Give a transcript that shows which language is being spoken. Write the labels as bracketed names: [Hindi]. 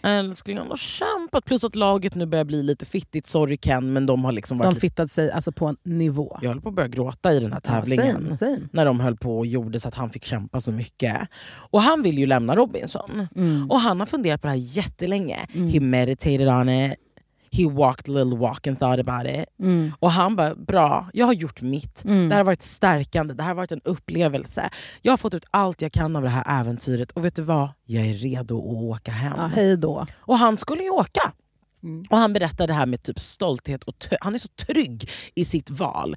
[Swedish] Älskling, han har kämpat. Plus att laget nu börjar bli lite fittigt, sorry Ken. Men de har liksom varit, de fittat sig alltså på en nivå. Jag höll på att börja gråta i den här tävlingen, ja, same. När de höll på och gjorde så att han fick kämpa så mycket. Och han vill ju lämna Robinson. Och han har funderat på det här jättelänge. [English] He meditated on it. He walked a little walk and thought about it. [Swedish] Och han bara, bra, jag har gjort mitt. Det här har varit stärkande. Det här har varit en upplevelse. Jag har fått ut allt jag kan av det här äventyret. Och vet du vad? Jag är redo att åka hem. Ja, hej då. Och han skulle ju åka. Och han berättade det här med typ stolthet. Och han är så trygg i sitt val.